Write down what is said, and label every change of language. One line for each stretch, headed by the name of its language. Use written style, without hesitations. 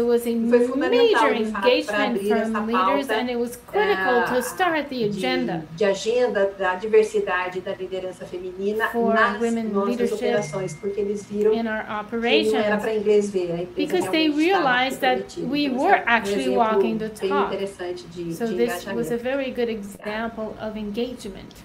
English: There was a major engagement from leaders, and it was critical to start the agenda.
Portuguese: De agenda da diversidade da liderança feminina nas nossas operações, porque eles viram que não era para inglês ver.
English: Because they realized that we were actually walking the talk. So this was a very good example of engagement.